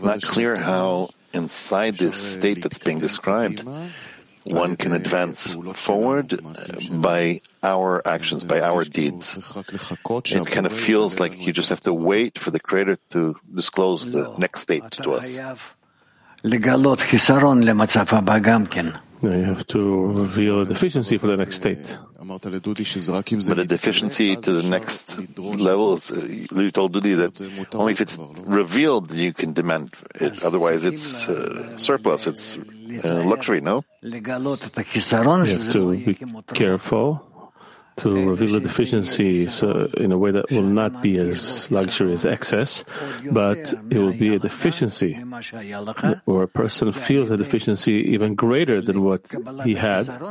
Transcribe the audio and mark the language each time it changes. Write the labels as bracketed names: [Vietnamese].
[English] הזה. It's not clear how inside this state that's being described one can advance forward by our actions, by our deeds. It kind of feels like you just have to wait for the Creator to disclose the next state to us. [Hebrew] לגלות חיסרון למצב הבא גם כן. [English] You have to reveal a deficiency for the next state. But a deficiency to the next level is, you told Dudi that only if it's revealed you can demand it. Otherwise it's surplus, it's luxury, no? You have to be careful to reveal a deficiency so in a way that will not be as luxury as excess, but it will be a deficiency where a person feels a deficiency even greater than what he had.